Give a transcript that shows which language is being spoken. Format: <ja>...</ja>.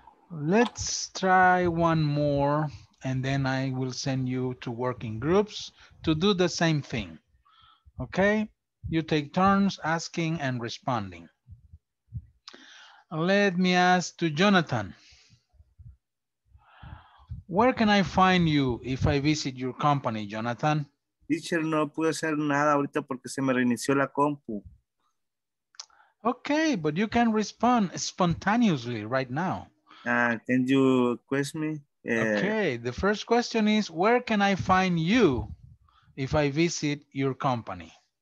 <en>Let's try one more, and then I will send you to working groups to do the same thing. Okay, you take turns asking and responding. Let me ask to Jonathan. Where can I find you if I visit your company, Jonathan?</en> <es>Teacher, no puedo hacer nada ahorita porque se me reinició la compu.</es> <en>Okay, but you can respond spontaneously right now. Can you quiz me? Okay, the first question is, where can I find you if I visit your company?</en>